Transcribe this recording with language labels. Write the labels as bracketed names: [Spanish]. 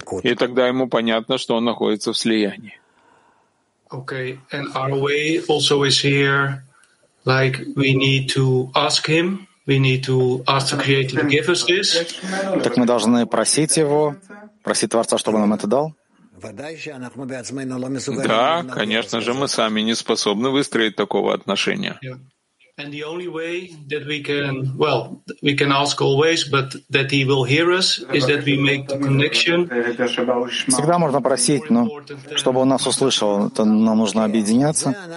[Russian] И тогда ему понятно, что он находится в слиянии. [English] Okay, and our way also is here, like we need to ask him. We need to ask the Creator to give us this. [Russian] Так мы должны просить его, просить Творца, чтобы нам это дал? Да, конечно же, мы сами не способны выстроить такого отношения. [English] And the only way that we can, well, we can ask always, but that he will hear us, is that we make the connection. [Russian] Всегда можно просить, но чтобы он нас услышал, то нам нужно объединяться.